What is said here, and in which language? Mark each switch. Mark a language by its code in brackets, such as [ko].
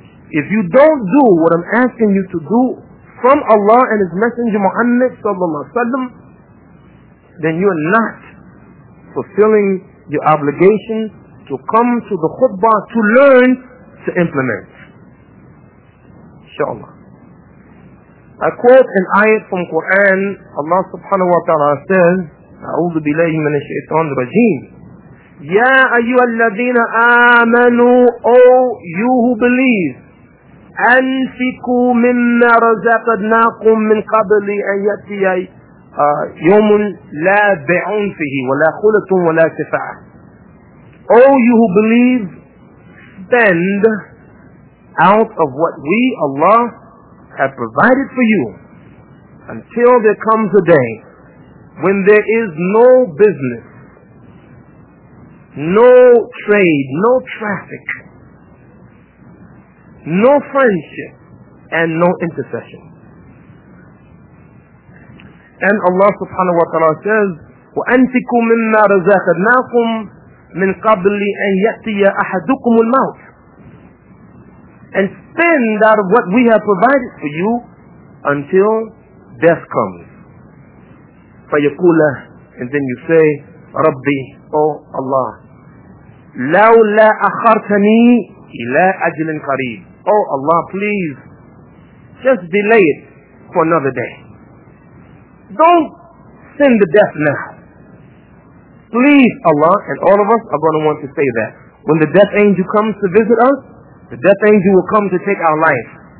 [en] If you don't do what I'm asking you to do from Allah and His Messenger Muhammad sallallahu alaihi wasallam, then you are not fulfilling your obligation to come to the khutbah to learn to implement. Inshallah. I quote an ayat from Quran. Allah subhanahu wa ta'ala says, [ar] أعوذ بالله من الشيطان الرجيم. يا أيها الذين آمنوا, [en] O you who believe, [ar] أنفقوا مما رزقناكم من قبل أن يأتي يوم لا بيع فيه ولا خلة ولا شفاعة. [en] All you who believe, spend out of what we, Allah, have provided for you until there comes a day when there is no business, no trade, no traffic, no friendship, and no intercession. And Allah subhanahu wa ta'ala says, [ar] وَأَنْتِكُ مِمَّا رَزَاقَدْنَاكُمْ مِنْ قَبْلِ أَنْ يَأْتِيَ أَحَدُكُمُ الْمَوْتِ. [en] And spend out of what we have provided for you until death comes. [ar] فَيَقُولَ, [en] and then you say, [ar] رَبِّي, [en] O Allah, [ar] لَوْ لَا أَخَرْتَنِي إِلَىٰ أَجْلٍ قَرِيبٍ. [en] Oh Allah, please, just delay it for another day. Don't send the death now. Please, Allah, and all of us are going to want to say that. When the death angel comes to visit us, the death angel will come to take our life.